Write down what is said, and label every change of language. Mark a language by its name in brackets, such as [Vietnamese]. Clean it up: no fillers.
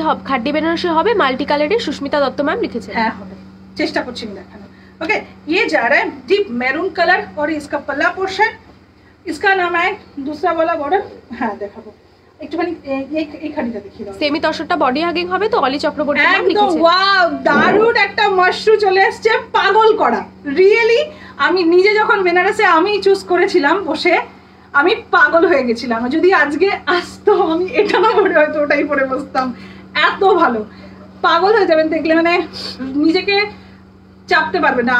[Bangla] খাড্ডি বেনারসি হবে, মাল্টি কালারে, সুস্মিতা দত্ত ম্যাম লিখেছে। হ্যাঁ হবে, চেষ্টা করছি দেখানো, [Hindi] ओके, ये जा रहा है डीप मैरून कलर और इसका पल्ला पोर्शन, इसका नाम है दूसरा वाला बॉर्डर। हाँ देखा [Bangla] আমি চুজ করেছিলাম বসে, আমি পাগল হয়ে গেছিলাম। যদি আজকে আসতো আমি এটা না পরে হয়তো ওটাই পরে বসতাম, এত ভালো, পাগল হয়ে যাবেন দেখলে, মানে নিজেকে চাপতে পারবে না।